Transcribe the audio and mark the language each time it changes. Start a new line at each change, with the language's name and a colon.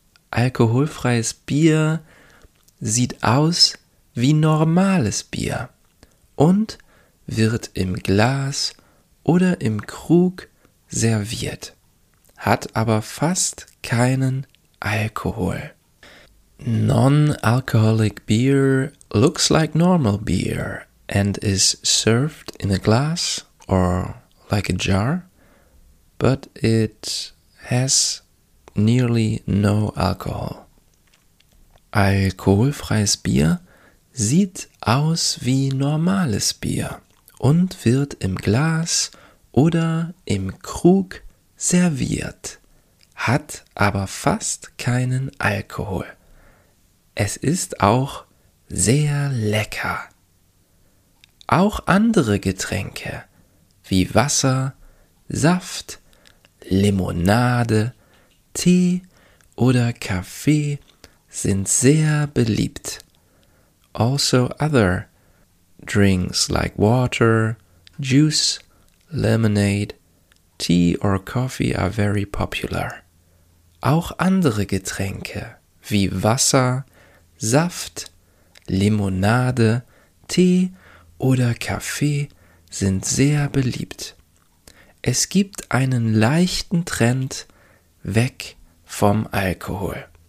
German: Alkoholfreies Bier sieht aus wie normales Bier und wird im Glas oder im Krug serviert, hat aber fast keinen Alkohol.
English: Non-alcoholic beer looks like normal beer and is served in a glass or like a jar, but it has nearly no alcohol.
German: Alkoholfreies Bier sieht aus wie normales Bier und wird im Glas oder im Krug serviert, hat aber fast keinen Alkohol. Es ist auch sehr lecker. Auch andere Getränke wie Wasser, Saft, Limonade, Tee oder Kaffee sind sehr beliebt.
English: Also other drinks like water, juice, lemonade, tea or coffee are very popular.
German: Auch andere Getränke wie Wasser, Saft, Limonade, Tee oder Kaffee sind sehr beliebt. Es gibt einen leichten Trend weg vom Alkohol.